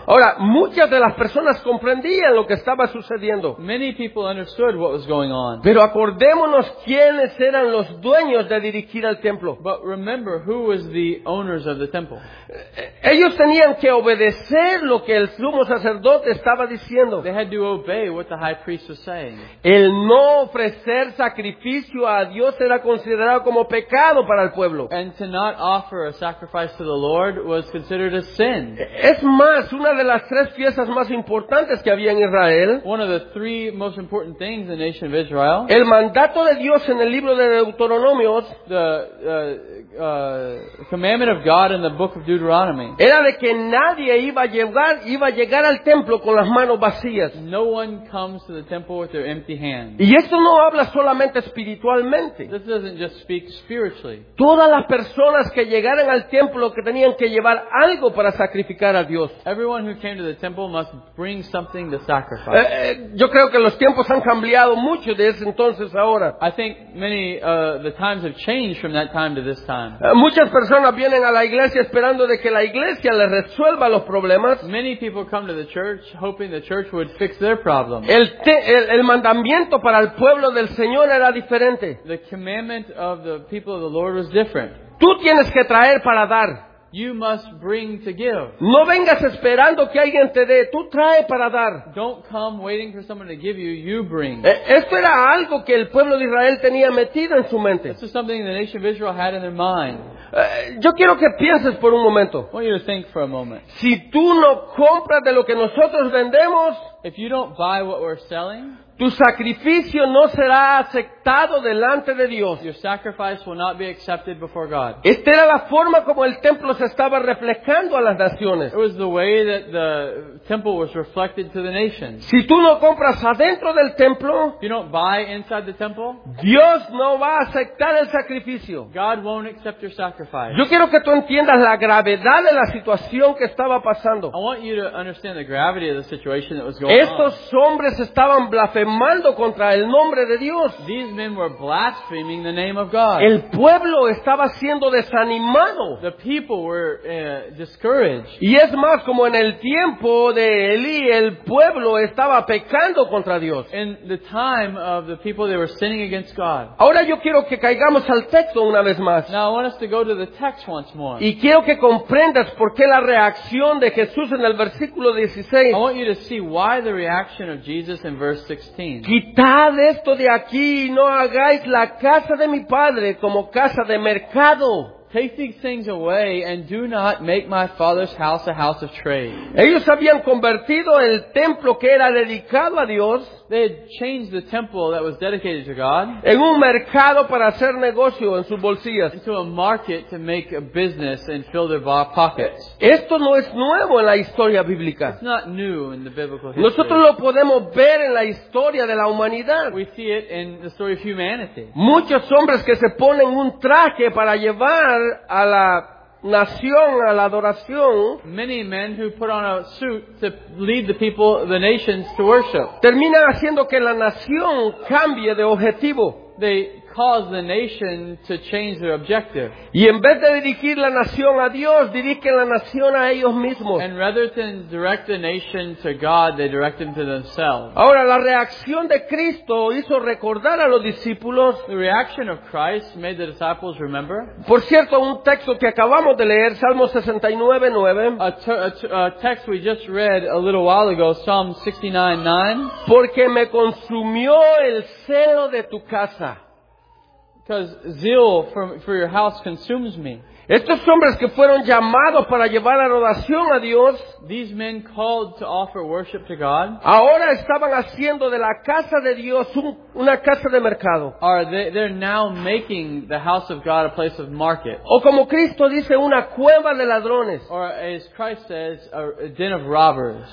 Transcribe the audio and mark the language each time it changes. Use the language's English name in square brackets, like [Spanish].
[Spanish] Ahora, muchas de las personas comprendían lo que estaba sucediendo. [English] Many people understood what was going on. [Spanish] Pero acordémonos quiénes eran los dueños de dirigir al templo. [English] But remember who was the owners of the temple. [Spanish] Ellos tenían que obedecer lo que el sumo sacerdote estaba diciendo. [English] They had to obey what the high priest was saying. [Spanish] El no ofrecer sacrificio a Dios era considerado como pecado para el pueblo. [English] And to not offer a sacrifice to the Lord was considered a sin. [Spanish] Es más, una de las tres fiestas más importantes que había en Israel. [English] One of the three most important things in the nation of Israel. [Spanish] El mandato de Dios en el libro de Deuteronomios. [English] The commandment of God in the book of Deuteronomy. [Spanish] Era de que nadie iba a llegar al templo con las manos vacías. [English] No one comes to the temple with their empty hands. [Spanish] Y esto no habla solamente espiritualmente. [English] This doesn't just speak spiritually. [Spanish] Todas las personas que llegaran al templo que tenían que llevar algo para sacrificar a Dios. [English] Everyone who came to the temple must bring something to sacrifice. [Spanish] Yo creo que los tiempos han cambiado mucho de ese entonces ahora. [English] I think many the times have changed from that time to this time. [Spanish] Muchas personas vienen a la iglesia esperando de que la iglesia les resuelva los problemas. [English] Many people come to the church hoping the church would fix their problems. [Spanish] El mandamiento para el pueblo del Señor era diferente. [English] The commandment of the people of the Lord was different. [Spanish] Tú tienes que traer para dar. [English] You must bring to give. [Spanish] No vengas esperando que alguien te dé. Tú trae para dar. [English] Don't come waiting for someone to give you. You bring. [Spanish] Esto era algo que el pueblo de Israel tenía metido en su mente. [English] This is something the nation of Israel had in their mind. [Spanish] Yo quiero que pienses por un momento. [English] I want you to think for a moment. [Spanish] Si tú no compras de lo que nosotros vendemos, [English] if you don't buy what we're selling, [Spanish] tu sacrificio no será aceptado delante de Dios. [English] Your sacrifice will not be accepted before God. [Spanish] Esta era la forma como el templo se estaba reflejando a las naciones. [English] It was the way that the temple was reflected to the nations. [Spanish] Si tú no compras adentro del templo, [English] you don't buy inside the temple, [Spanish] Dios no va a aceptar el sacrificio. [English] God won't accept your sacrifice. [Spanish] Yo quiero que tú entiendas la gravedad de la situación que estaba pasando. [English] I want you to understand the gravity of the situation that was going [Spanish] Estos [English] on. [Spanish] Estos hombres estaban blasfemando contra el nombre de Dios. [English] These men were blaspheming the name of God. [Spanish] El pueblo estaba siendo desanimado. [English] The people were discouraged. [Spanish] Y es más, como en el tiempo de Elí, el pueblo estaba pecando contra Dios. [English] In the time of the people, they were sinning against God. [Spanish] Ahora yo quiero que caigamos al texto una vez más. [English] Now I want us to go to the text once more. [Spanish] Y quiero que comprendas por qué la reacción de Jesús en el versículo 16. [English] I want you to see why the reaction of Jesus in verse 16. [Spanish] Quitad esto de aquí y no hagáis la casa de mi padre como casa de mercado. [English] Take these things away and do not make my father's house a house of trade. [Spanish] Ellos habían convertido el templo que era dedicado a Dios. [English] They had changed the temple that was dedicated to God. [Spanish] En un mercado para hacer negocio en sus bolsillas. [English] Into a market to make a business and fill their pockets. [Spanish] Esto no es nuevo en la historia bíblica. [English] It's not new in the biblical history. [Spanish] Nosotros lo podemos ver en la historia de la humanidad. [English] We see it in the story of humanity. [Spanish] Muchos hombres que se ponen un traje para llevar a la nación a la adoración. [English] Many men who put on a suit to lead the people, the nations, to worship. [Spanish] Terminan haciendo que la nación cambie de objetivo. [English] They cause the nation to change their objective. [Spanish] Y en vez de dirigir la nación a Dios, dirigen la nación a ellos mismos. [English] And rather than direct the nation to God, they direct them to themselves. [Spanish] Ahora, la reacción de Cristo hizo recordar a los discípulos. [English] The reaction of Christ made the disciples remember. [Spanish] Por cierto, un texto que acabamos de leer, Salmo 69:9. [English] A text we just read a little while ago, Psalm 69:9. [Spanish] Porque me consumió el celo de tu casa. [English] Because zeal for your house consumes me. [Spanish] Estos hombres que fueron llamados para llevar la adoración a Dios, [English] these men called to offer worship to God, [Spanish] ahora estaban haciendo de la casa de Dios una casa de mercado. [English] They're now making the house of God a place of market. [Spanish] O como Cristo dice, una cueva de ladrones. [English] Or as Christ says, a den of robbers.